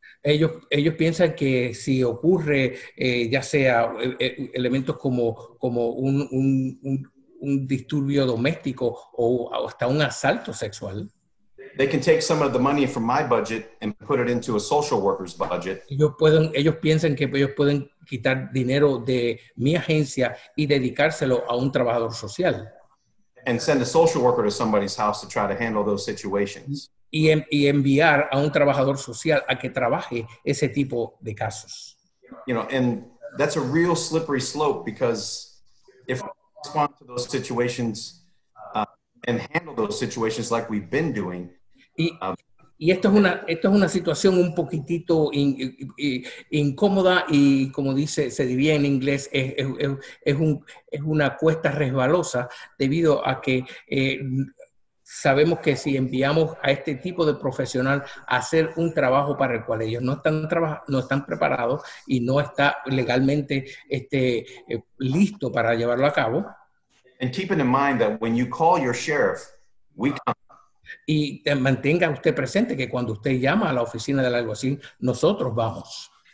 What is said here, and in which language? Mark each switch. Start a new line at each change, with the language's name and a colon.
Spanish: Ellos piensan que si ocurre, ya sea elementos como un disturbio doméstico o hasta un asalto sexual.
English: They can take some of the money from my budget and put it into a social worker's budget.
Spanish: Ellos piensan que ellos pueden quitar dinero de mi agencia y dedicárselo a un trabajador social.
English: And send a social worker to somebody's house to try to handle those situations.
Spanish: Y enviar a un trabajador social a que trabaje ese tipo de casos.
English: You know, and that's a real slippery slope, because if we respond to those situations and handle those situations like we've been doing.
Spanish: Y esto es una situación un poquitito incómoda, y como dice, se diría en inglés, es una cuesta resbalosa, debido a que sabemos que si enviamos a este tipo de profesional a hacer un trabajo para el cual ellos no están preparados y no está legalmente listo para llevarlo a cabo.
English: And keeping in mind that when you call your sheriff, we come.
Spanish: Y mantenga usted presente que cuando usted llama a la oficina del alguacil, nosotros vamos.